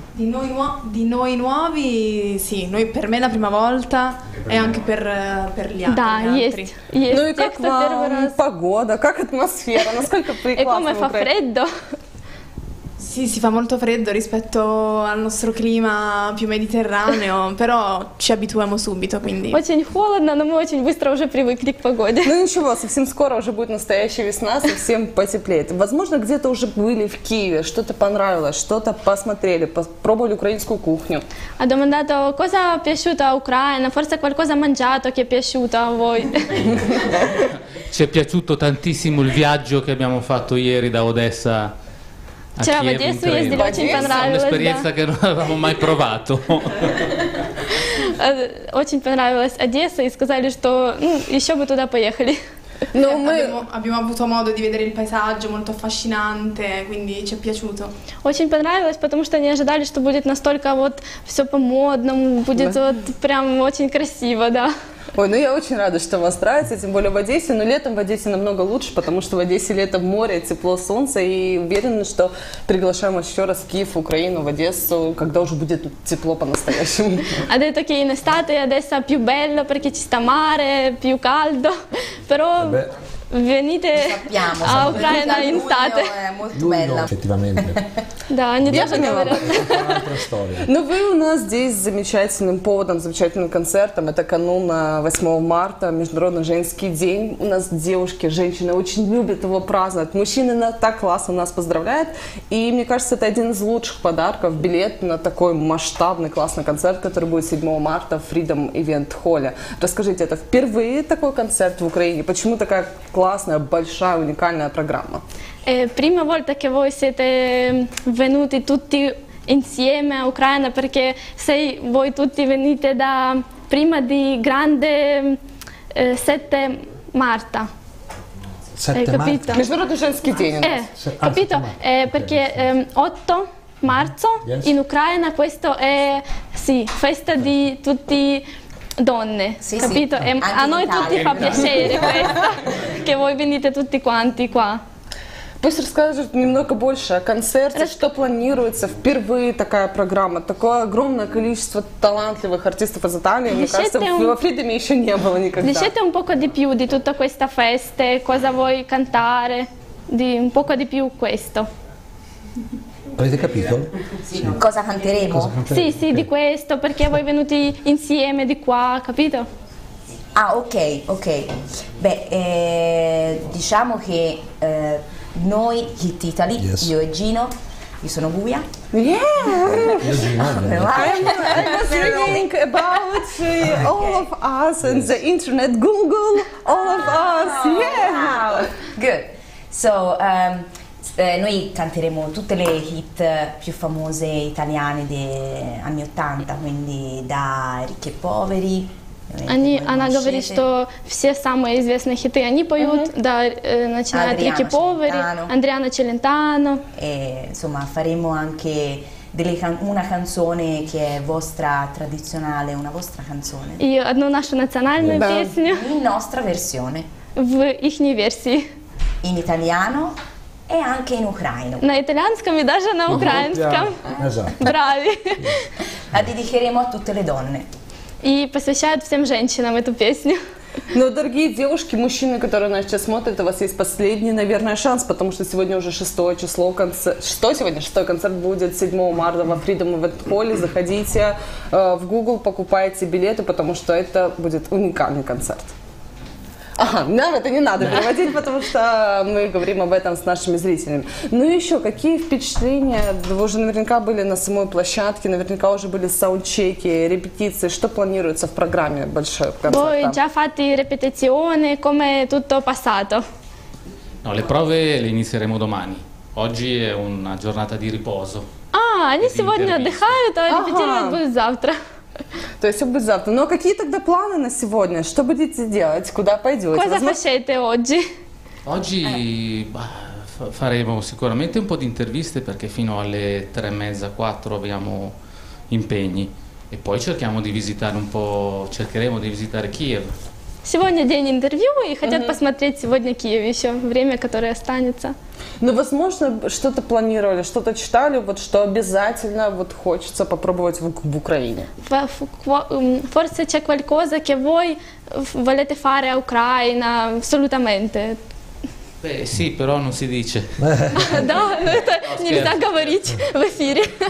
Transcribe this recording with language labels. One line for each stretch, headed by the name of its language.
Italian: Di noi nuovi, sì, noi per me la prima volta e anche per gli altri.
Russian: Да, есть, есть. Ну и как вам погода, как атмосфера, насколько прекрасно?
Italian: E come fa freddo? Sì, si fa molto freddo rispetto al nostro clima più mediterraneo, però ci abituiamo subito, quindi.
Russian: Очень холодно, но мы очень быстро уже привыкли к погоде. Ну ничего, совсем скоро уже будет настоящая весна, совсем потеплеет. Возможно, где-то уже были в Киеве, что-то понравилось, что-то посмотрели, попробовали украинскую кухню.
Italian: Ha domandato cosa è piaciuto a Ucraina, forse qualcosa mangiato che è piaciuto a voi. Ci è piaciuto tantissimo il viaggio che abbiamo fatto ieri da Odessa.
Russian: Вчера в Одессу ездили, очень понравилось.
Italian: Experiencia che non avevamo mai provato.
Russian: Очень понравилось Одесса и сказали, что еще бы туда поехали. Но мы
Italian: abbiamo avuto modo di vedere il paesaggio molto affascinante, quindi ci è piaciuto.
Russian: Очень понравилось, потому что не ожидали, что будет настолько вот все по модному, будет вот прям очень красиво, да. Ой, ну я очень рада, что вам нравится, тем более в Одессе, но летом в Одессе намного лучше, потому что в Одессе лето, море, тепло, солнце, и уверена, что приглашаем еще раз в Киев, в Украину, в Одессу, когда уже будет тепло по-настоящему.
Italian: Ha detto che in estate Odessa più bello perché ci sta mare, più caldo, però venite a Ucraina in estate. Effettivamente.
Russian: Да, не даже говорят. Ну, вы у нас здесь с замечательным поводом, замечательным концертом. Это канун 8 марта, Международный женский день. У нас девушки, женщины очень любят его праздновать. Мужчины так классно нас поздравляют. И мне кажется, это один из лучших подарков. Билет на такой масштабный классный концерт, который будет 7 марта в Freedom Event Hall. Расскажите, это впервые такой концерт в Украине? Почему такая классная, большая, уникальная программа?
Italian: Prima volta che voi siete venuti tutti insieme a Ucraina, perché sei voi tutti venite da prima di grande 7
Russian: marta.
Italian: Capito?
Russian: Международный женский день.
Italian: Capito? Perché 8 marzo in Ucraina questo è sì, festa di tutti donne, sì, capito? Sì. A noi tutti fa piacere questo, che voi venite tutti quanti qua.
Russian: Пусть расскажут немного больше о концерте, что планируется, впервые такая программа, такое огромное количество талантливых артистов из Италии, мне кажется, во Фридоме еще не было никогда.
Italian: Dicete un poco di più di tutta questa festa, cosa vuoi cantare, di un poco di più questo. Avete capito? Cosa canteremo? Sì, sì, di questo, perché voi venuti insieme di qua, capito? Ah, ok, ok. Beh, diciamo che noi Hit Italy,
English: yes.
Italian: Io e Gino, io sono Guia.
English: Yeah. I'm singing about all of us and the internet Google all of us. Yeah. Wow. Good.
Italian: So noi canteremo tutte le hit più famose italiane degli anni 80, quindi da Ricchi e Poveri.
Russian: Она говорит, что все самые известные хиты они поют, да, начиная от Ricchi e Poveri, Адриано Челентано.
Italian: Insomma, faremo anche una canzone che è vostra tradizionale, una vostra canzone.
Russian: И одну нашу национальную песню.
Italian: In nostra versione.
Russian: В ихней версии.
Italian: In italiano e anche in ucraino.
Russian: На итальянском и даже на украинском.
Italian: Bravi. La dedicheremo a tutte le donne.
Russian: И посвящают всем женщинам эту песню. Ну, дорогие девушки, мужчины, которые нас сейчас смотрят, у вас есть последний, наверное, шанс, потому что сегодня уже 6 число концерт. Что сегодня? 6 концерт будет 7 марта во Freedom Event Hall. Заходите в Google, покупайте билеты, потому что это будет уникальный концерт. Ага, нам это не надо переводить, потому что мы говорим об этом с нашими зрителями. Ну и еще, какие впечатления? Вы уже наверняка были на самой площадке, наверняка уже были саундчеки, репетиции. Что планируется в программе большой концерта?
Italian: Voi già fatti ripetizioni, come tutto passato? No, le prove le inizieremo domani. Oggi è una giornata di riposo.
Russian: Ah, они сегодня отдыхают, а репетировать будут завтра. То есть будет завтра. Ну а какие тогда планы на сегодня? Что будете делать? Куда пойдете?
Italian: Cosa facete oggi? Oggi faremo sicuramente un po' di interviste, perché fino alle 3:30-4 abbiamo impegni. E poi cerchiamo di visitare un po'. Cercheremo di visitare Kiev.
Russian: Сегодня день интервью, и хотят посмотреть сегодня Киев еще, время, которое останется. Ну, возможно, что-то планировали, что-то читали, вот что обязательно вот хочется попробовать в Украине.
Italian: Forse c'è qualcosa che voi volete fare a Ucraina, assolutamente. Beh, sì, però non si dice.
Russian: Да, это нельзя говорить в эфире.